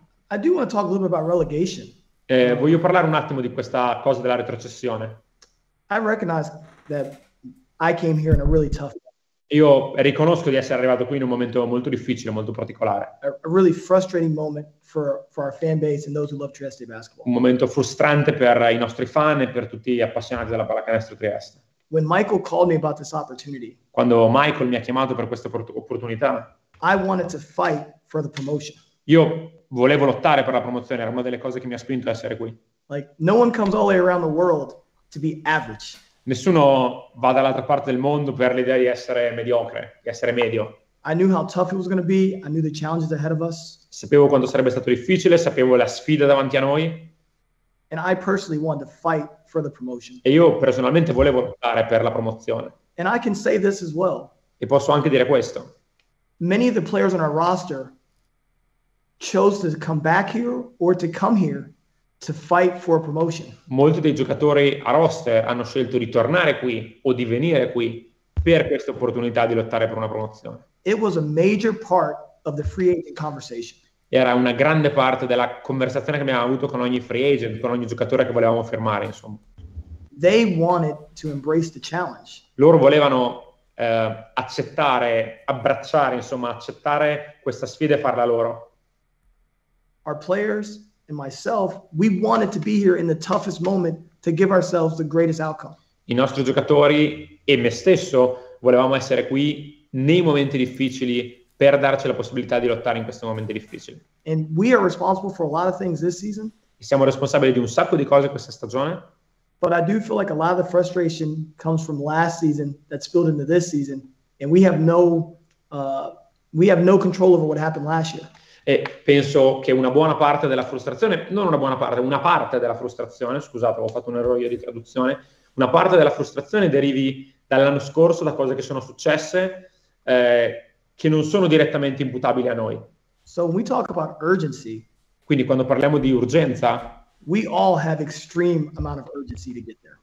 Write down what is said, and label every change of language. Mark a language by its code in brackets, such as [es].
[en] I do want to talk a little bit about relegation. [it] Voglio parlare un attimo di questa cosa della retrocessione. [en] I recognize that I came here in a really tough. [it] Io riconosco di essere arrivato qui in un momento molto difficile, molto particolare. [en] A really frustrating moment for our fan base and those who love Trieste basketball. [it] Un momento frustrante per i nostri fan e per tutti gli appassionati della pallacanestro Trieste. [en] When Michael called me about this opportunity. [it] Quando Michael mi ha chiamato per questa opportunità. [en] I wanted to fight for the promotion. [it] Io volevo lottare per la promozione, era una delle cose che mi ha spinto ad essere qui. [en] Like, no one comes all the way around the world to be average. [it] Nessuno va dall'altra parte del mondo per l'idea di essere mediocre, di essere medio. [en] I knew how tough it was going to be. I knew the challenges ahead of us. [it] Sapevo quanto sarebbe stato difficile, sapevo la sfida davanti a noi. [en] And I personally wanted to fight for the promotion. [it] E io personalmente volevo lottare per la promozione. [en] And I can say this as well. [it] E posso anche dire questo. [en] Many of the players on our roster chose to come back here or to come here to fight for a promotion. [it] Molti dei giocatori a roster hanno scelto di tornare qui o di venire qui per questa opportunità di lottare per una promozione. [en] It was a major part of the free agent conversation. [it] Era una grande parte della conversazione che abbiamo avuto con ogni free agent, con ogni giocatore che volevamo firmare, insomma. [en] They wanted to embrace the challenge. [it] Loro volevano accettare questa sfida e farla loro. [en] Our players and myself, we wanted to be here in the toughest moment to give ourselves the greatest outcome. [it] I nostri giocatori e me stesso volevamo essere qui nei momenti difficili per darci la possibilità di lottare in questi momenti difficili. [en] And we are responsible for a lot of things this season. [it] E siamo responsabili di un sacco di cose questa stagione. [en] But I do feel like a lot of the frustration comes from last season that spilled into this season, and we have no control over what happened last year. [it] E penso che una buona parte della frustrazione, non una buona parte, una parte della frustrazione, scusate, ho fatto un errore di traduzione, una parte della frustrazione derivi dall'anno scorso, da cose che sono successe, che non sono direttamente imputabili a noi. [en] So when we talk about urgency, [it] quindi quando parliamo di urgenza, [en] We all have extreme amount of urgency to get there.